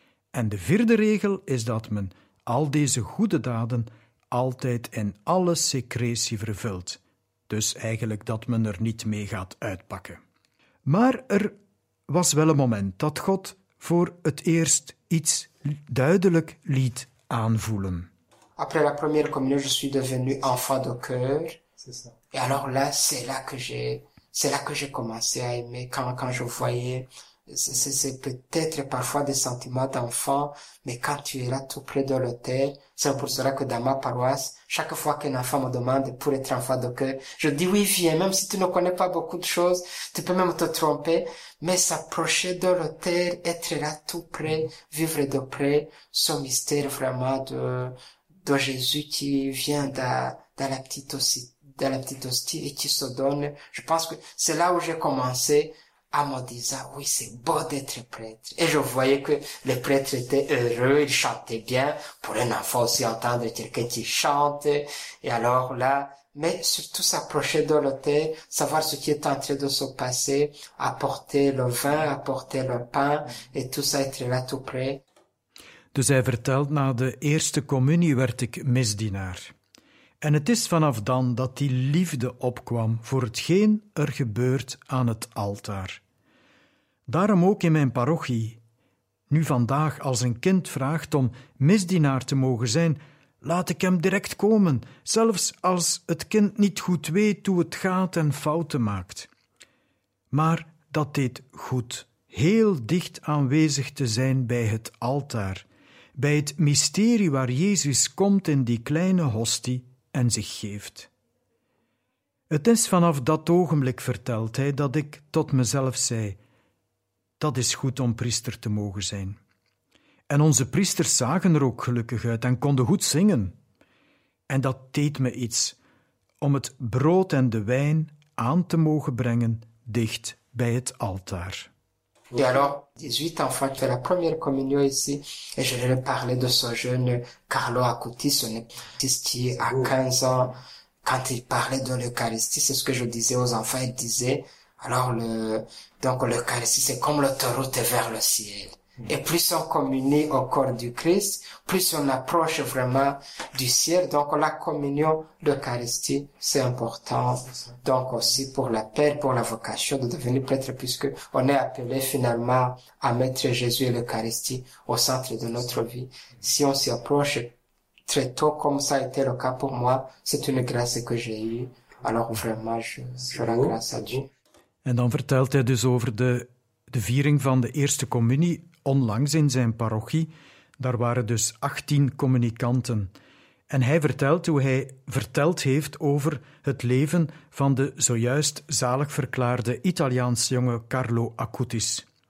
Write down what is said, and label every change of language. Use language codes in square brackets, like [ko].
[nl] En de vierde regel is dat men al deze goede daden altijd in alle secretie vervult. Dus eigenlijk dat men er niet mee gaat uitpakken. Maar er was wel een moment dat God voor het eerst iets duidelijk liet aanvoelen. [fr] Après la première communion, je suis devenu enfant de cœur. Et alors là, c'est là que j'ai commencé à aimer quand je voyais. C'est peut-être parfois des sentiments d'enfant, mais quand tu es là tout près de l'autel, c'est pour cela que dans ma paroisse, chaque fois qu'un enfant me demande pour être enfant de cœur, je dis oui, viens, même si tu ne connais pas beaucoup de choses, tu peux même te tromper, mais s'approcher de l'autel, être là tout près, vivre de près ce mystère vraiment de Jésus qui vient dans la petite hostie et qui se donne. Je pense que c'est là où j'ai commencé à me dire, oui, c'est beau d'être prêtre. Et je voyais que les prêtres étaient heureux, ils chantaient bien. Pour un enfant aussi, entendre quelqu'un qui chante. Et alors là, mais surtout s'approcher de l'autel, savoir ce qui est en train de se passer, apporter le vin, apporter le pain, et tout ça, être là tout près. [nl] Dus hij vertelt, na de eerste communie werd ik misdienaar. En het is vanaf dan dat die liefde opkwam voor hetgeen er gebeurt aan het altaar. Daarom ook in mijn parochie. Nu vandaag, als een kind vraagt om misdienaar te mogen zijn, laat ik hem direct komen, zelfs als het kind niet goed weet hoe het gaat en fouten maakt. maar dat deed goed, heel dicht aanwezig te zijn bij het altaar, bij het mysterie waar Jezus komt in die kleine hostie en zich geeft. Het is vanaf dat ogenblik, vertelt hij, dat ik tot mezelf zei, dat is goed om priester te mogen zijn. En onze priesters zagen er ook gelukkig uit en konden goed zingen. En dat deed me iets, om het brood en de wijn aan te mogen brengen dicht bij het altaar. [fr] Et alors, 18 enfants qui ont la première communion ici, et je vais parler de ce jeune Carlo Acutis, son artiste qui a 15 ans, quand il parlait de l'Eucharistie, c'est ce que je disais aux enfants, il disait, alors l'Eucharistie, c'est comme l'autoroute vers le ciel. Et plus on communie au corps du Christ, plus on approche vraiment du ciel. Donc la communion, l'Eucharistie, c'est important. Donc aussi pour l'appel, pour la vocation de devenir prêtre, puisque on est appelé finalement à mettre Jésus et l'Eucharistie au centre de notre vie. Si on s'y approche très tôt, comme ça a été le cas pour moi, c'est une grâce que j'ai eue. Alors vraiment, je rends grâce à Dieu. [nl] Et dan vertelt hij dus over de viering van de eerste communie. Onlangs in zijn parochie, daar waren dus 18 communicanten. En hij vertelt hoe hij verteld heeft over het leven van de zojuist zalig verklaarde Italiaans jonge Carlo Acutis.